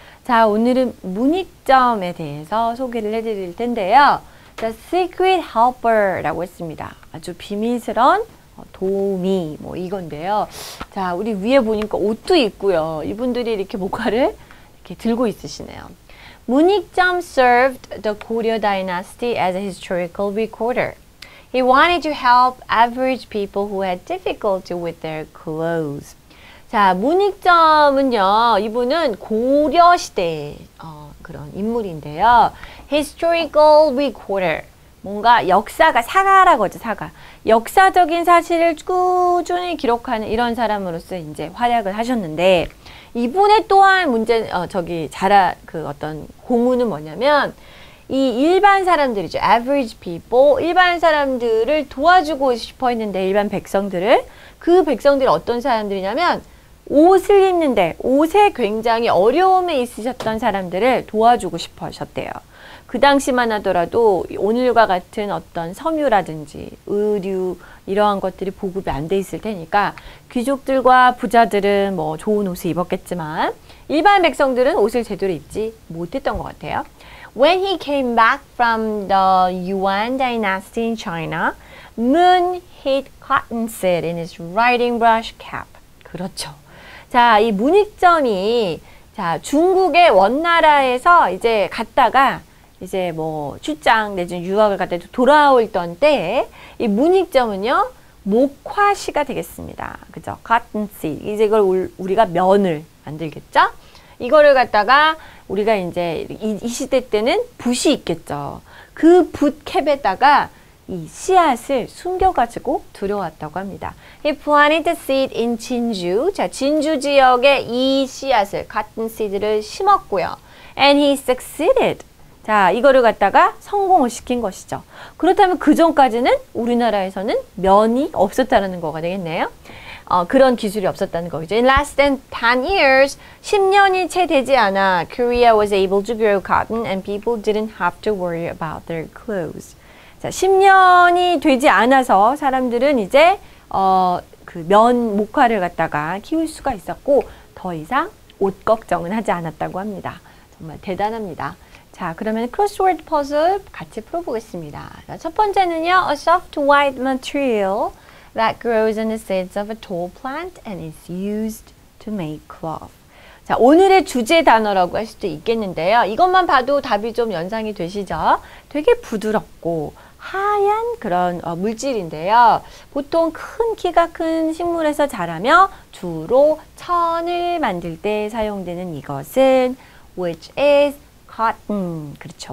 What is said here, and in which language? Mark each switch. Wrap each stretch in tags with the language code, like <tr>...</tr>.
<ko>자, 오늘은 문익점에 대해서 소개를 해드릴 텐데요.</ko> <en>The Secret Helper</en> <ko>라고 했습니다. 아주 비밀스런 도우미 뭐 이건데요. 자, 우리 위에 보니까 옷도 있고요. 이분들이 이렇게 목화를 이렇게 들고 있으시네요.</ko> <en>문익점 served the Goryeo dynasty as a historical recorder. He wanted to help average people who had difficulty with their clothes.</en> <ko>자, 문익점은요, 이분은 고려 시대의 그런 인물인데요.</ko> <en>Historical recorder.</en> <ko>뭔가 역사가, 사가라고 하죠, 사가. 역사적인 사실을 꾸준히 기록하는 이런 사람으로서 이제 활약을 하셨는데, 이분의 또한 문제, 저기, 자라, 그 어떤 공훈은 뭐냐면, 이 일반 사람들이죠.</ko> <en>Average people.</en> <ko>일반 사람들을 도와주고 싶어 했는데, 일반 백성들을. 그 백성들이 어떤 사람들이냐면, 옷을 입는데, 옷에 굉장히 어려움에 있으셨던 사람들을 도와주고 싶어 하셨대요. 그 당시만 하더라도, 오늘과 같은 어떤 섬유라든지, 의류, 이러한 것들이 보급이 안 돼 있을 테니까, 귀족들과 부자들은 뭐 좋은 옷을 입었겠지만, 일반 백성들은 옷을 제대로 입지 못했던 것 같아요.</ko> <en>When he came back from the Yuan dynasty in China, Moon hid cotton seed in his riding brush cap.</en> <ko>그렇죠. 자, 이 문익점이 자, 중국의 원나라에서 이제 갔다가 이제 뭐 출장 내지는 유학을 갔다가 돌아올던 때에 이 문익점은요, 목화씨가 되겠습니다. 그죠?</ko> <en>Cotton seed.</en> <ko>이제 이걸 우리가 면을 만들겠죠? 이거를 갖다가 우리가 이제 이 시대 때는 붓이 있겠죠. 그 붓캡에다가 이 씨앗을 숨겨가지고 들여왔다고 합니다.</ko> <en>He planted the seed in Jinju.</en> <ko>자, 진주 지역에 이 씨앗을,</ko> <en>cotton seed</en> <ko>를 심었고요.</ko> <en>And he succeeded.</en> <ko>자, 이거를 갖다가 성공을 시킨 것이죠. 그렇다면 그 전까지는 우리나라에서는 면이 없었다는 거가 되겠네요. 그런 기술이 없었다는 거죠.</ko> <en>In less than 10 years,</en> <ko>10년이 채 되지 않아</ko> <en>Korea was able to grow cotton and people didn't have to worry about their clothes.</en> <ko>자, 10년이 되지 않아서 사람들은 이제 그 면 목화를 갖다가 키울 수가 있었고 더 이상 옷 걱정은 하지 않았다고 합니다. 정말 대단합니다. 자, 그러면 크로스워드 퍼즐 같이 풀어보겠습니다. 자, 첫 번째는요,</ko> <en>a soft white material that grows in the seeds of a tall plant and is used to make cloth.</en> <ko>자, 오늘의 주제 단어라고 할 수도 있겠는데요. 이것만 봐도 답이 좀 연상이 되시죠? 되게 부드럽고 하얀 그런 물질인데요. 보통 큰 키가 큰 식물에서 자라며 주로 천을 만들 때 사용되는 이것은</ko> <en>which is cotton.</en> <ko>그렇죠.</ko>